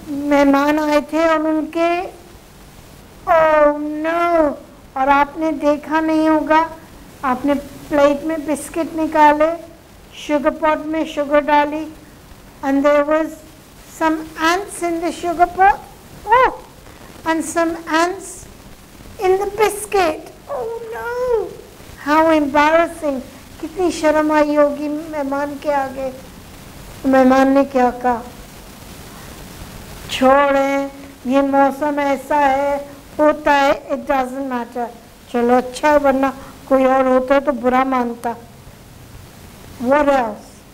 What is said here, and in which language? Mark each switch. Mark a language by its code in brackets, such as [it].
[hi] मेहमान आए थे और उनके, [en] oh no! [hi] और आपने देखा नहीं होगा, आपने प्लेट में बिस्किट निकाले, शुगर पॉट में शुगर डाली, [en] and there was some ants in the sugar pot, oh, and some ants in the biscuit, oh no! How embarrassing! [hi] कितनी शर्म आई होगी मेहमान के आगे. मेहमान ने क्या कहा? छोड़ें, ये मौसम ऐसा है, होता है, [en] It doesn't matter. [hi] चलो अच्छा है, वरना कोई और होता तो बुरा मानता. [en] What else?